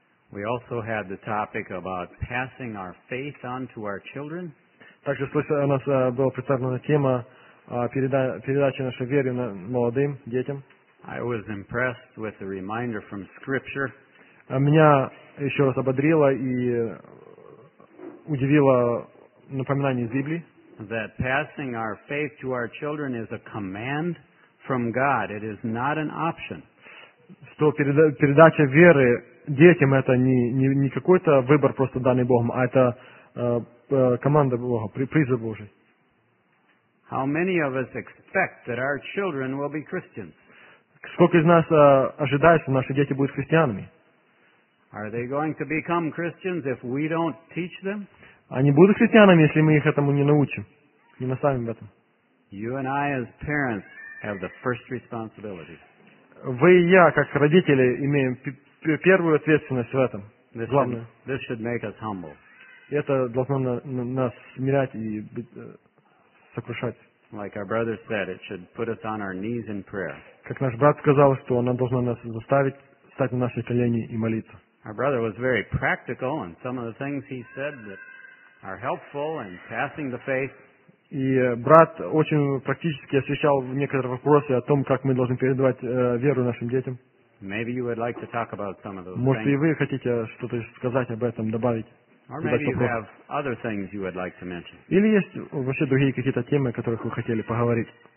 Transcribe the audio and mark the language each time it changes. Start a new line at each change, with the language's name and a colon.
English: We also had the topic about passing our faith on to our children.
Russian: Также у нас была представлена тема передачи нашей веры молодым детям.
English: I was impressed with the reminder from Scripture.
Russian: Меня еще раз ободрило и удивило напоминание из Библии.
English: That passing our faith to our children is a command from God. It is not an option.
Russian: Что передача веры детям это не какой-то выбор просто данный Богом, а это команда Бога, призыв Божий.
English: How many of us expect that our children will be Christians?
Russian: Сколько из нас ожидает, что наши дети будут христианами?
English: Are they going to become Christians if we don't teach them?
Russian: Они будут христианами, если мы их этому не научим, не наставим в этом.
English: You and I as parents have the first responsibility.
Russian: Вы и я, как родители, имеем первую ответственность в этом. Главное.
English: This should make us humble.
Russian: Это должно нас смирять и сокрушать.
English: Like our brother said, it should put us on our knees in prayer.
Russian: Как наш брат сказал, что она должна нас заставить встать на наши колени и молиться.
English: Our brother was very practical, and some of the things he said that are helpful in passing the faith.
Russian: И брат очень практически освещал некоторые вопросы о том, как мы должны передавать веру нашим детям.
English: Maybe you would like to talk about some of those.
Russian: Может, и вы хотите что-то сказать об этом, добавить?
English: Or maybe you have other things you would like to mention.
Russian: Или есть вообще другие какие-то темы, о которых вы хотели поговорить?